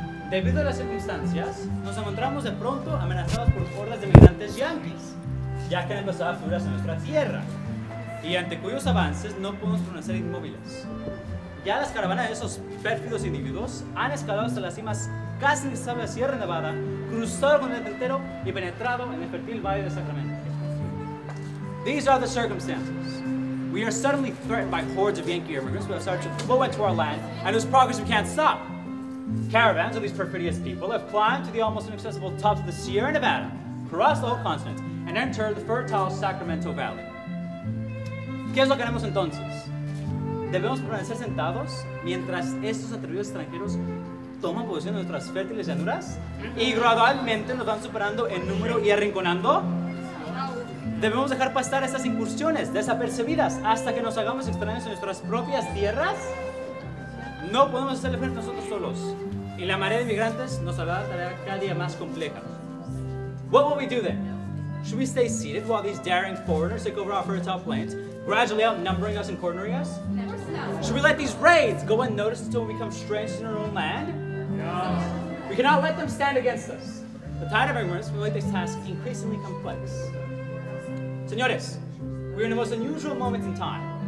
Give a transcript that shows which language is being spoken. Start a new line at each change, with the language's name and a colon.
Spanish: Debido a las circunstancias, nos encontramos de pronto amenazados por hordas de migrantes yanquis, ya que han empezado a fluir hacia nuestra tierra, y ante cuyos avances no podemos permanecer inmóviles. Ya las caravanas de esos pérfidos individuos han escalado hasta las cimas casi inestables de Sierra Nevada, cruzado el continente entero y penetrado en el fértil valle de Sacramento.
English: These are the circumstances. We are suddenly threatened by hordes of Yankee immigrants who have started to flow into our land and whose progress we can't stop. Caravans of these perfidious people have climbed to the almost inaccessible tops of the Sierra Nevada, crossed the whole continent, and entered the fertile Sacramento Valley.
Spanish: ¿Qué es lo que haremos entonces? Debemos permanecer sentados mientras estos atrevidos extranjeros toman posesión de nuestras fértiles llanuras y gradualmente nos van superando en número y arrinconando. debemos dejar pasar esas incursiones desapercibidas hasta que nos hagamos extraños en nuestras propias tierras. No podemos hacerle frente nosotros solos. Y la marea de migrantes nos hará la tarea cada día más compleja.
English: What will we do then? Should we stay seated while these daring foreigners take over our fertile plains, gradually outnumbering us and cornering us? Never stop. Should we let these raids go unnoticed until we become strangers in our own land? No. We cannot let them stand against us. The tide of immigrants will make this task increasingly complex. Señores, we are in the most unusual moment in time.